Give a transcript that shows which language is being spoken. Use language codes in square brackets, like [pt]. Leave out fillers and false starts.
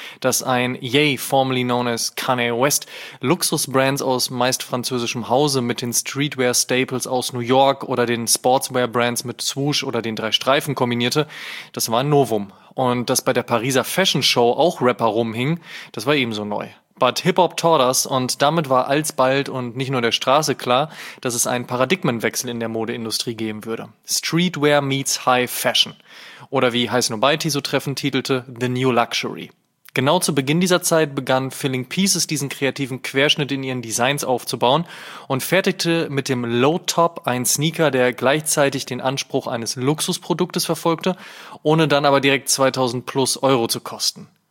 [de] Dass ein Ye, formerly known as Kanye West, Luxusbrands aus meist französischem Hause mit den Streetwear-Staples aus New York oder den Sportswear-Brands mit Swoosh oder den drei Streifen kombinierte, das war ein Novum. Und dass bei der Pariser Fashion Show auch Rapper rumhingen, das war ebenso neu. [en] But Hip-Hop taught us [de] und damit war alsbald und nicht nur der Straße klar, dass es einen Paradigmenwechsel in der Modeindustrie geben würde. [en] Streetwear meets High Fashion. [de] Oder wie Heiß Nobiety so treffend titelte, [en] The New Luxury. [de] Genau zu Beginn dieser Zeit begann Filling Pieces diesen kreativen Querschnitt in ihren Designs aufzubauen und fertigte mit dem Low Top einen Sneaker, der gleichzeitig den Anspruch eines Luxusproduktes verfolgte, ohne dann aber direkt 2000 plus Euro zu kosten.